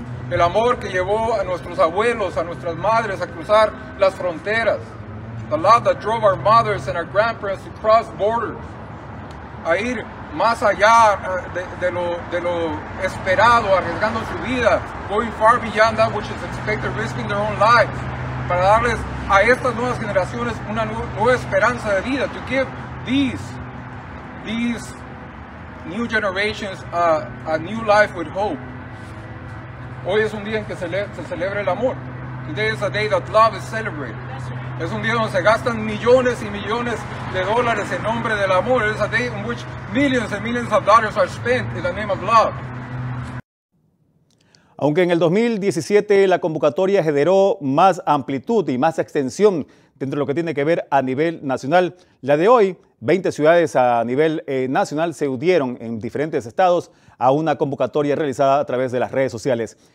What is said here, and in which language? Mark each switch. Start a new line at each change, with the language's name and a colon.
Spanish: El amor que llevó a nuestros abuelos, a nuestras madres a cruzar las fronteras.
English: The love that drove our mothers and our grandparents to cross borders.
Spanish: A ir más allá de lo esperado, arriesgando su vida.
English: Going far beyond that which is expected, risking their own lives.
Spanish: Para darles a estas nuevas generaciones una nueva esperanza de vida.
English: To give these new generations a new life with hope.
Spanish: Hoy es un día en que se celebra el amor.
English: Today is a day that love is celebrated.
Spanish: Es un día donde se gastan millones y millones de dólares en nombre del amor.
English: It is a day in which millions and millions of dollars are spent in the name of love.
Spanish: Aunque en el 2017 la convocatoria generó más amplitud y más extensión dentro de lo que tiene que ver a nivel nacional, la de hoy, 20 ciudades a nivel nacional se unieron en diferentes estados a una convocatoria realizada a través de las redes sociales.